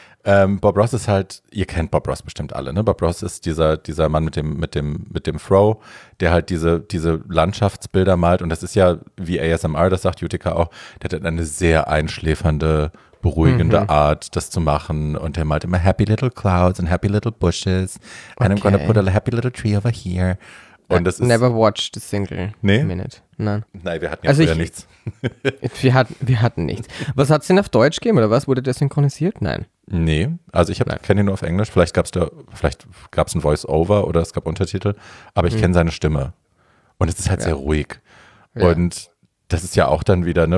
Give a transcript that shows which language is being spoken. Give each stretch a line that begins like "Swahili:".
German: Bob Ross ist halt, ihr kennt Bob Ross bestimmt alle, ne? Bob Ross ist dieser Mann mit dem Fro, der halt diese Landschaftsbilder malt. Und das ist ja, wie ASMR das sagt, Utica auch, der hat eine sehr einschläfernde, beruhigende Art, das zu machen. Und der malt immer
English: happy little clouds and happy little bushes. And I'm gonna put a happy little tree over here.
German: Und das ist,
English: never watched the single minute.
German: Nein. Nein, wir hatten ja also früher nichts. wir hatten nichts. Was hat es denn auf Deutsch gegeben oder was? Wurde der synchronisiert? Nein. Nee, also ich kenne ihn nur auf Englisch. Vielleicht gab es ein Voice-Over oder es gab Untertitel, aber ich kenne seine Stimme. Und es ist halt sehr ruhig. Ja. Und das ist ja auch dann wieder, ne?